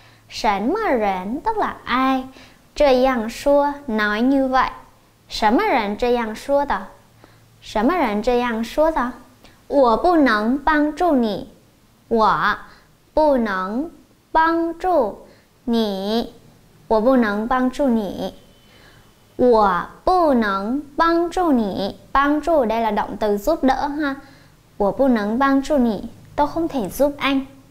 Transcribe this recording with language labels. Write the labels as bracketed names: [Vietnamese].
[Chinese] 什么人 [Vietnamese] tức là ai? [Chinese] 这样说 [Vietnamese] nói như vậy? [Chinese] 什么人这样说的？什么人这样说的？我不能帮助你, 我不能帮助你, 我不能帮助你, 我不能帮助你, 帮助 [Vietnamese] đây là động từ giúp đỡ ha. [Chinese] 我不能帮助你, [Vietnamese] tôi không thể giúp anh.